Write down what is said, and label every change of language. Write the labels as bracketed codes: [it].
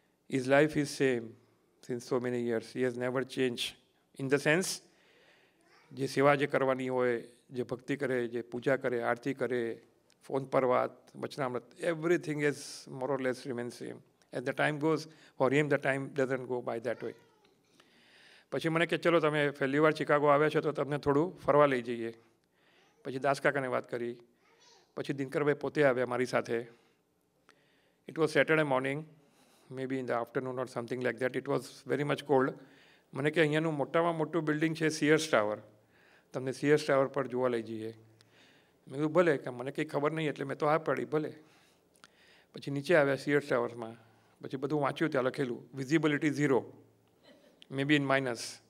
[en] his life is same since so many years, he has never change in the sense, [gu] જે સેવા જે કરવાની હોય, જે ભક્તિ કરે, જે પૂજા કરે, આરતી કરે, ફોન પર વાત, [en] Vachanamrut, everything is more or less remains same. As the time goes for him, the time doesn't go by that way. [gu] પછી મને કે ચલો તમે પહેલી વાર શિકાગો આવ્યા છો તો તમને થોડું ફરવા લઈ જઈએ. પછી દાસકાકાને વાત કરી, પછી દિનકરભાઈ પોતે આવ્યા મારી સાથે. [en] It was Saturday morning, maybe in the afternoon or something like that. It was very much cold. [gu] મને કે અહીંયાનું મોટામાં મોટું બિલ્ડિંગ છે સિયર્સ ટાવર, તમને સિયર્સ ટાવર પર જોવા લઈ જઈએ. મેં કીધું ભલે, કે મને કંઈ ખબર નહીં એટલે મેં તો હા પાડી, ભલે. પછી નીચે આવ્યા સિયર્સ ટાવર્સમાં, પછી બધું વાંચ્યું ત્યાં લખેલું, [en] Visibility zero, may be in minus.